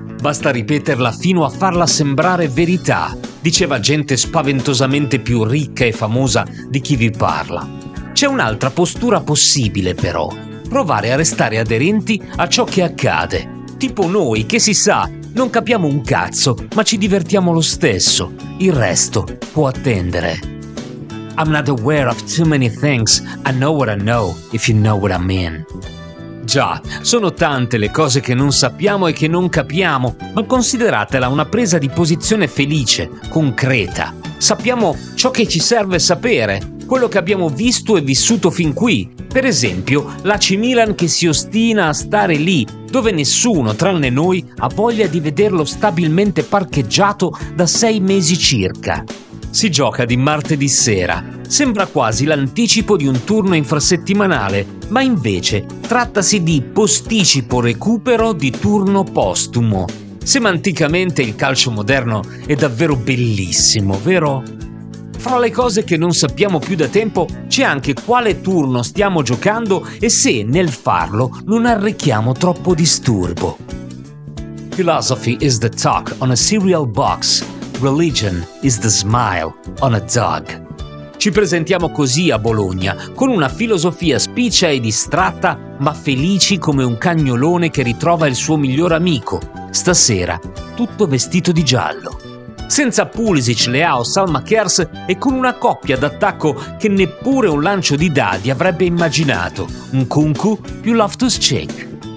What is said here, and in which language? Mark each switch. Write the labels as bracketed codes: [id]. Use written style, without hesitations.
[it] Basta ripeterla fino a farla sembrare verità, diceva gente spaventosamente più ricca e famosa di chi vi parla. C'è un'altra postura possibile però, provare a restare aderenti a ciò che accade. Tipo noi, che si sa, non capiamo un cazzo, ma ci divertiamo lo stesso. Il resto può attendere. [en] I'm not aware of too many things. I know what I know, if you know what I mean. [it] Già, sono tante le cose che non sappiamo e che non capiamo, ma consideratela una presa di posizione felice, concreta. Sappiamo ciò che ci serve sapere, quello che abbiamo visto e vissuto fin qui. Per esempio, l'AC Milan che si ostina a stare lì, dove nessuno, tranne noi, ha voglia di vederlo stabilmente parcheggiato da 6 mesi circa. Si gioca di martedì sera. Sembra quasi l'anticipo di un turno infrasettimanale, ma invece trattasi di posticipo recupero di turno postumo. Semanticamente il calcio moderno è davvero bellissimo, vero? Fra le cose che non sappiamo più da tempo c'è anche quale turno stiamo giocando e se nel farlo non arrechiamo troppo disturbo. [en] Philosophy is the talk on a cereal box. Religion is the smile on a dog. [it] Ci presentiamo così a Bologna, con una filosofia spiccia e distratta, ma felici come un cagnolone che ritrova il suo miglior amico, stasera, tutto vestito di giallo. Senza Pulisic, Leao, Salma Kers e con una coppia d'attacco che neppure un lancio di dadi avrebbe immaginato, Nkunku più Loftus-Cheek.